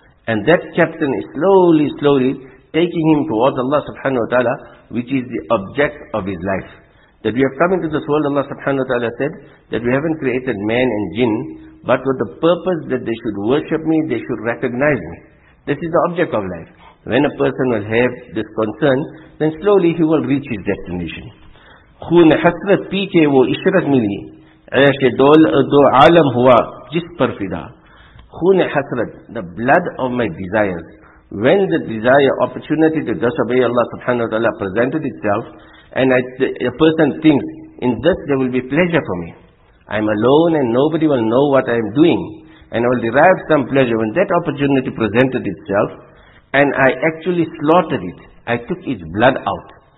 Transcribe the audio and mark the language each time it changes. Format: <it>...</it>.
<en>And that captain is slowly, slowly taking him towards Allah subhanahu wa ta'ala, which is the object of his life. That we have come into this world, Allah subhanahu wa ta'ala said, that we haven't created man and jinn, but with the purpose that they should worship me, they should recognize me. This is the object of life. When a person will have this concern, then slowly he will reach his destination.</en> <ur>خون حسرت پی کے وہ عشرت ملی عیش دو عالم ہوا جس پر فدا. خون حسرت,</ur> <en>the blood of my desires. When the desire, opportunity to disobey Allah subhanahu wa ta'ala presented itself, and a person thinks, in this there will be pleasure for me. I am alone and nobody will know what I am doing. And I will derive some pleasure. When that opportunity presented itself, and I actually slaughtered it, I took its blood out.</en>